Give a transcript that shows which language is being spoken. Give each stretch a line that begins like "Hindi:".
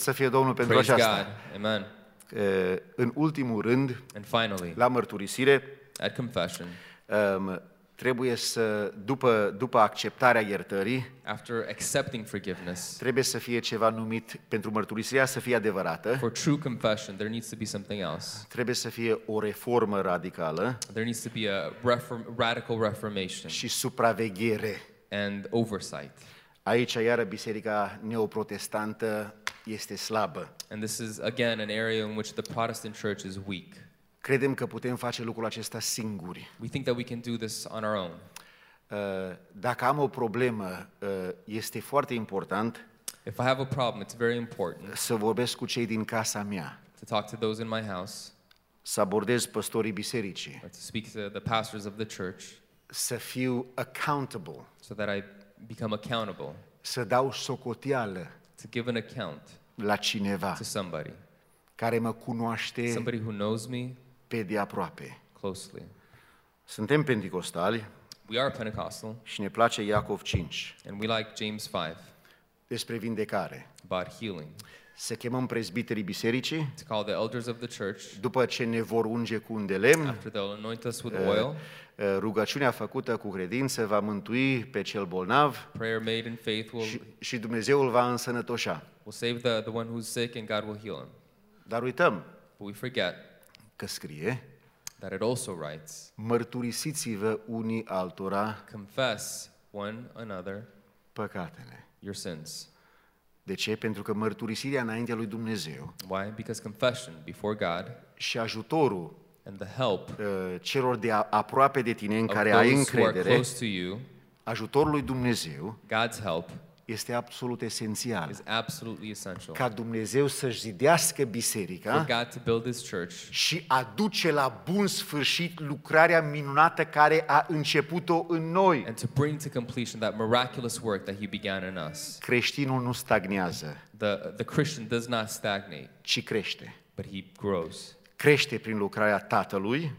Romanian: să fie Domnul pentru aceasta.
English: God. Amen.
Romanian: În ultimul rând,
English: and finally,
Romanian: la mărturisire,
English: at confession,
Romanian: trebuie să, după acceptarea iertării,
English: after accepting forgiveness,
Romanian: trebuie să fie ceva numit, pentru mărturisirea să fie adevărată,
English: for true confession, there needs to be something else.
Romanian: Trebuie să fie o reformă radicală,
English: there needs to be a radical reformation,
Romanian: și supraveghere,
English: and oversight.
Romanian: Aici, iară, biserica neoprotestantă este slabă.
English: And this is, again, an area in which the Protestant church is weak.
Romanian: Credem că putem face lucrul acesta singuri.
English: We think that we can do this on our own.
Romanian: Dacă am o problemă, este foarte important,
English: if I have a problem, it's very important,
Romanian: să vorbesc cu cei din casa mea,
English: to talk to those in my house,
Romanian: să abordez pastorii bisericii,
English: to speak to the pastors of the church,
Romanian: să fiu accountable,
English: so that I become accountable,
Romanian: să dau socoteală,
English: to give an account,
Romanian: la cineva,
English: to somebody,
Romanian: care mă cunoaște,
English: somebody who knows me,
Romanian: pe de aproape.
English: Closely.
Romanian: Suntem pentecostali.
English: We are Pentecostal.
Romanian: Și ne place Iacov 5.
English: And we like James 5.
Romanian: Despre vindecare.
English: About healing.
Romanian: Să chemăm prezbiterii bisericii.
English: To call the elders of the church.
Romanian: După ce ne vor unge cu un de lemn.
English: After they'll anoint us with oil.
Romanian: Rugăciunea făcută cu credință va mântui pe cel bolnav.
English: Prayer made in faith will.
Romanian: Și Dumnezeu îl va însănătoșa.
English: Will save the one who's sick and God will heal him.
Romanian: Dar uităm.
English: But we forget.
Romanian: Că scrie,
English: that it also writes,
Romanian: mărturisiți-vă unii altora,
English: confess one another,
Romanian: păcatele,
English: your sins.
Romanian: De ce? Pentru că mărturisirea înaintea lui Dumnezeu,
English: why? Because confession before God,
Romanian: și ajutorul,
English: and the help,
Romanian: celor de aproape de tine în care ai încredere,
English: close to you,
Romanian: ajutorul lui Dumnezeu,
English: God's help,
Romanian: este absolut esențial,
English: is absolutely essential,
Romanian: ca Dumnezeu să-și zidească biserica,
English: for God to build his church,
Romanian: și aduce la bun sfârșit lucrarea minunată care a început-o în noi.
English: And to bring to completion that miraculous work that he began in us.
Romanian: Creștinul nu stagnează.
English: The Christian does not stagnate.
Romanian: Ci crește.
English: But he grows.
Romanian: Crește prin lucrarea Tatălui,